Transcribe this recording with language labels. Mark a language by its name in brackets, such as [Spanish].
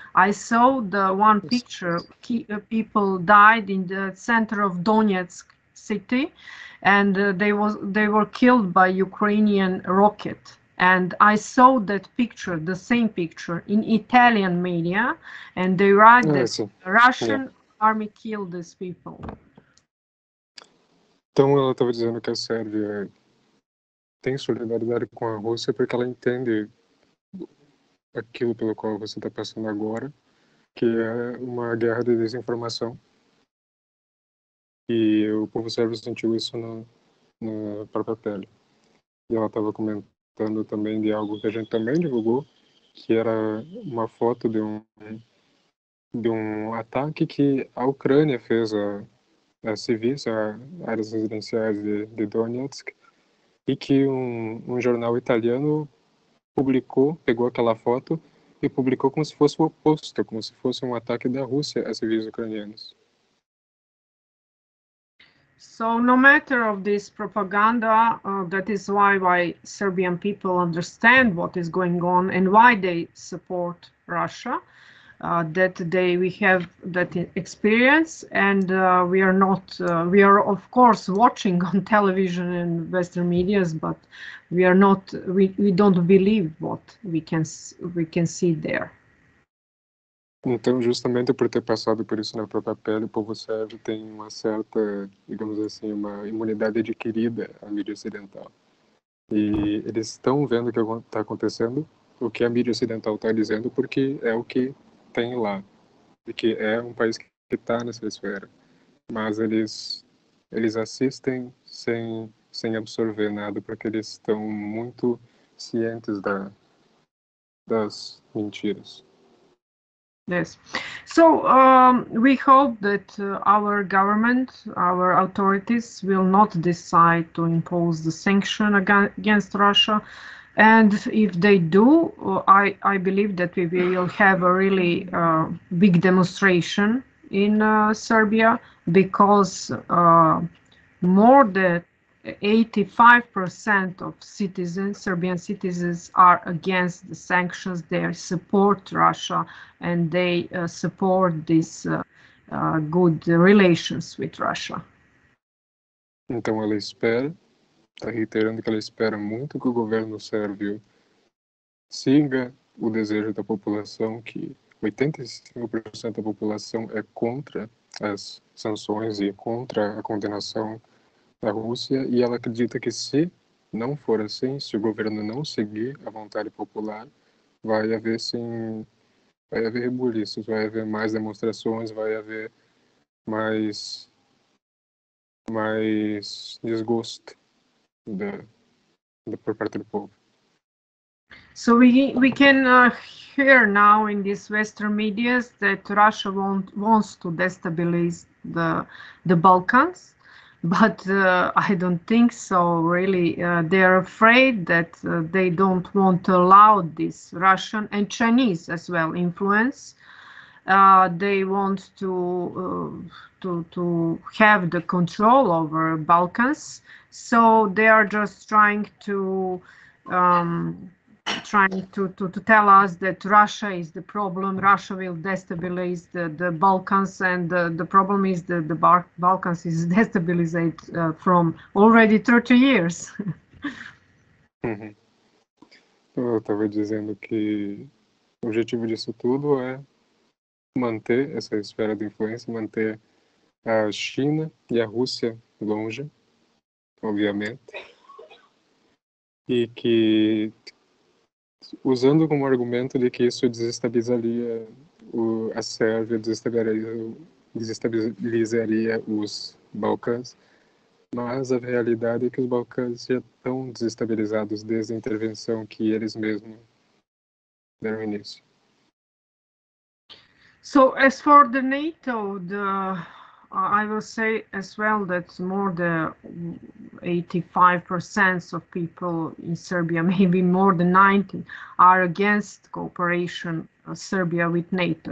[English] I saw the one picture, people died in the center of Donetsk city, and they were killed by Ukrainian rocket. And I saw that picture, the same picture, in Italian media, and they write that Russian army killed these people. [Portuguese] Então, ela estava dizendo que a Sérvia tem solidariedade com a Rússia porque ela entende aquilo pelo qual você está passando agora, que é uma guerra de desinformação. E o povo sérvio sentiu isso na própria pele. E ela estava comentando também de algo que a gente também divulgou, que era uma foto de um ataque que a Ucrânia fez a civis, a áreas residenciais de Donetsk, e que um jornal italiano publicou, pegou aquela foto e publicou como se fosse o oposto, como se fosse um ataque da Rússia a civis ucranianos. [English] So no matter of this propaganda, that is why Serbian people understand what is going on and why they support Russia, that we have that experience, and we are of course watching on television and Western medias, but we don't believe what we can see there. [Portuguese] Então, justamente por ter passado por isso na própria pele, o povo sérvio tem uma certa, digamos assim, uma imunidade adquirida à mídia ocidental. E eles estão vendo o que está acontecendo, o que a mídia ocidental está dizendo, porque é o que tem lá. E que é um país que está nessa esfera. Mas eles assistem sem absorver nada, porque eles estão muito cientes das mentiras. [English] Yes. So we hope that our government, our authorities will not decide to impose the sanction against Russia. And if they do, I believe that we will have a really big demonstration in Serbia, because more than 85% of citizens, Serbian citizens, are against the sanctions. They support Russia and they support this good relations with Russia. [Portuguese] Então ela espera, está reiterando que ela espera muito que o governo sérvio siga o desejo da população, que 85% da população é contra as sanções e contra a condenação da Rússia, e ela acredita que se não for assim, se o governo não seguir a vontade popular, vai haver rebuliços, vai haver mais demonstrações, vai haver mais desgosto por parte do povo. [English] So we can hear now in these Western medias that Russia wants to destabilize the Balkans. But I don't think so, really. They are afraid that they don't want to allow this Russian and Chinese as well influence. They want to have the control over Balkans. So they are just trying to trying to tell us that Russia is the problem, Russia will destabilize the Balkans, and the problem is that the Balkans is destabilized from already 30 years. [Portuguese] Eu estava dizendo que o objetivo disso tudo é manter essa esfera de influência, manter a China e a Rússia longe, obviamente, e que, usando como argumento de que isso desestabilizaria a Sérvia, desestabilizaria os Balcãs, mas a realidade é que os Balcãs já estão desestabilizados desde a intervenção que eles mesmos deram início. [English] So, as for the NATO, I will say as well that more than 85% of people in Serbia, maybe more than 90, are against cooperation of Serbia with NATO.